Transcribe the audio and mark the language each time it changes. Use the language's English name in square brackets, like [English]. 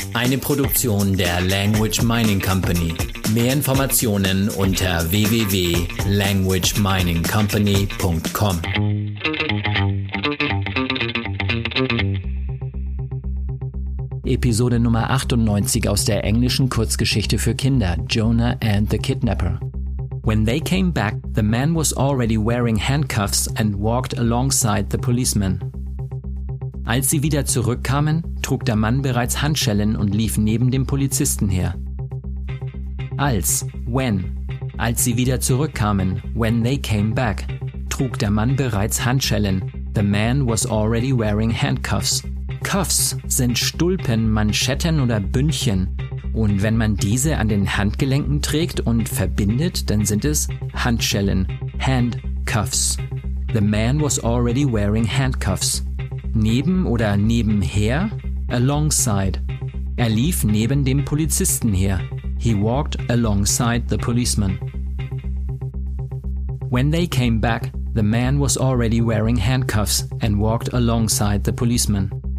[German] Eine Produktion der Language Mining Company. Mehr Informationen unter www.languageminingcompany.com. Episode Nummer 98 aus der englischen Kurzgeschichte für Kinder, Jonah and the Kidnapper. [English] When they came back, the man was already wearing handcuffs and walked alongside the policeman. [German] Als sie wieder zurückkamen, trug der Mann bereits Handschellen und lief neben dem Polizisten her. Als sie wieder zurückkamen, [English] when they came back, [German] trug der Mann bereits Handschellen. [English] The man was already wearing handcuffs. [German] Cuffs sind Stulpen, Manschetten oder Bündchen. Und wenn man diese an den Handgelenken trägt und verbindet, dann sind es Handschellen, Handcuffs. [English] The man was already wearing handcuffs. [German] Neben oder nebenher, alongside. Er lief neben dem Polizisten her. [English] He walked alongside the policeman. When they came back, the man was already wearing handcuffs and walked alongside the policeman.